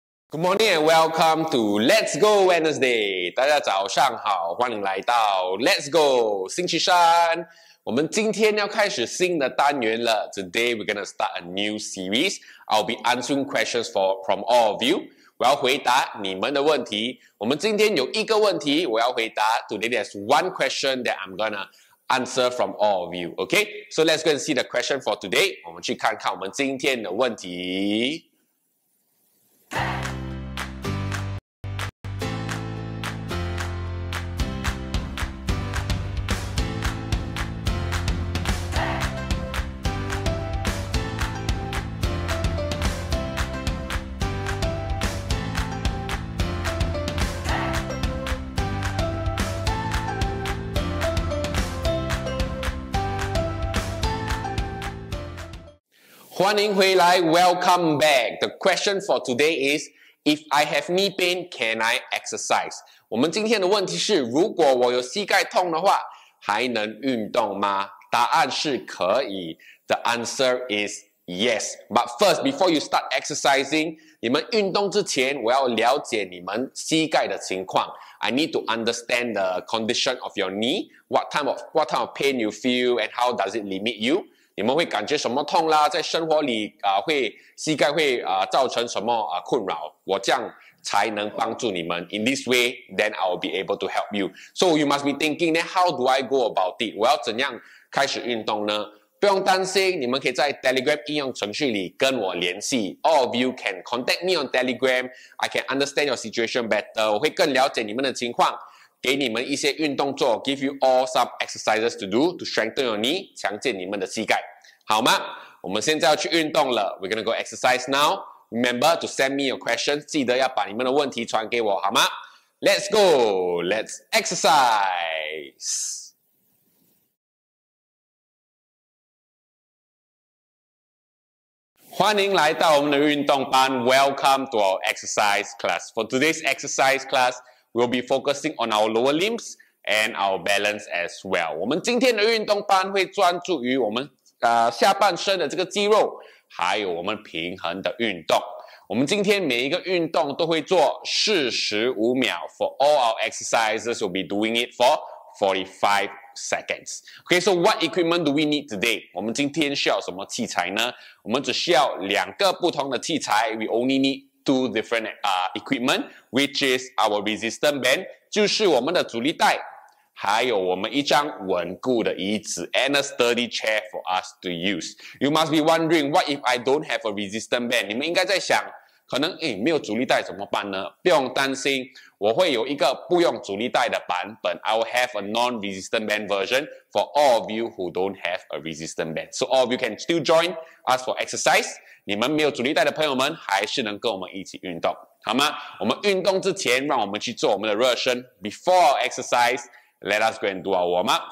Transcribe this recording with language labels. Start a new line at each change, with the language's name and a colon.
English: Good morning and welcome to Let's Go Wednesday.
Chinese: 大家早上好，欢迎来到 Let's Go 星期三。我们今天要开始新的单元了。
English: Today we're gonna start a new series. I'll be answering questions from all of you.
Chinese: 我要回答你们的问题。我们今天有一个问题，我要回答。
English: Today there's one question that I'm gonna answer from all of you. Okay, so let's go and see the question for today.
Chinese: 我们去看看我们今天的问题。欢迎回来
English: ，Welcome back. The question for today is: If I have knee pain, can I exercise?
Chinese: 我们今天的问题是：如果我有膝盖痛的话，还能运动吗？答案是可以。
English: The answer is yes. But first, before you start exercising,
Chinese: 你们运动之前，我要了解你们膝盖的情况。
English: I need to understand the condition of your knee. What type of pain you feel, and how does it limit you?
Chinese: 你们会感觉什么痛啦？在生活里啊、会膝盖会啊、造成什么啊、困扰？我这样才能帮助你们。
English: In this way, then I will be able to help you. So you must be thinking, then how do I go about it?
Chinese: 我要怎样开始运动呢？不用担心，你们可以在 Telegram 应用程序里跟我联系。
English: All of you can contact me on Telegram. I can understand your situation better.
Chinese: 我会更了解你们的情况。给你们一些运动做
English: ，give you all some exercises to do to strengthen your knee,
Chinese: 强健你们的膝盖，好吗？我们现在要去运动了
English: ，we're gonna go exercise now. Remember to send me your questions.
Chinese: 记得要把你们的问题传给我，好吗 ？
English: Let's go, let's exercise. Welcome
Chinese: 迎来到我们的运动班
English: ，Welcome to our exercise class. For today's exercise class. We'll be focusing on our lower limbs and our balance as well.
Chinese: 我们今天的运动班会专注于我们下半身的这个肌肉，还有我们平衡的运动。我们今天每一个运动都会做45秒。
English: For all our exercises, we'll be doing it for 45 seconds. Okay, so what equipment do we need today?
Chinese: 我们今天需要什么器材呢？我们只需要两个不同的器材。
English: We only need two different equipment, which is our resistance band,
Chinese: 就是我们的阻力带，还有我们一张稳固的椅子
English: and a sturdy chair for us to use. You must be wondering, what if I don't have a resistance band?
Chinese: 你们应该在想，可能诶，没有阻力带怎么办呢？不用担心，我会有一个不用阻力带的版本。
English: I will have a non-resistant band version for all of you who don't have a resistant band. So all of you can still join us for exercise.
Chinese: 你们没有阻力带的朋友们还是能跟我们一起运动，好吗？我们运动之前，让我们去做我们的热身。
English: Before our exercise, let us go and do our warm up.